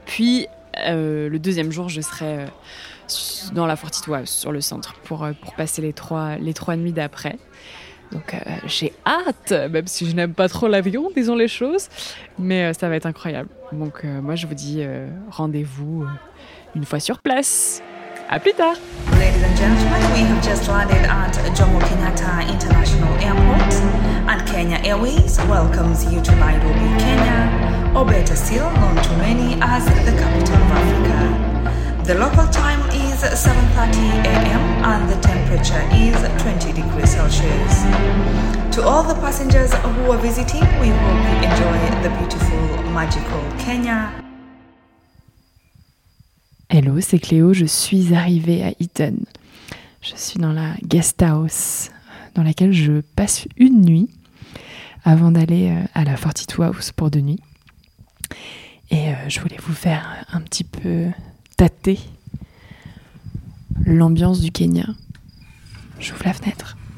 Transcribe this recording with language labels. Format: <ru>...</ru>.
<fr>Puis, le deuxième jour, je serai dans la 42 House, sur le centre, pour passer les trois nuits d'après. Donc, j'ai hâte, même si je n'aime pas trop l'avion, disons les choses. Mais ça va être incroyable. Donc, moi, je vous dis rendez-vous une fois sur place. À plus tard.</fr> <en>Ladies and gentlemen, we have just landed at Jomo Kenyatta International Airport and Kenya Airways welcomes you to Nairobi, Kenya, or better still, known to many as the capital of Africa. The local time is 7:30 a.m. and the temperature is 20 degrees Celsius. To all the passengers who are visiting, we hope you enjoy the beautiful, magical Kenya.</en> <fr>Hello, c'est Cléo, je suis arrivée à Eaton. Je suis dans la guest house dans laquelle je passe une nuit avant d'aller à la 42 House pour deux nuits. Et je voulais vous faire un petit peu tâter l'ambiance du Kenya. J'ouvre la fenêtre.</fr>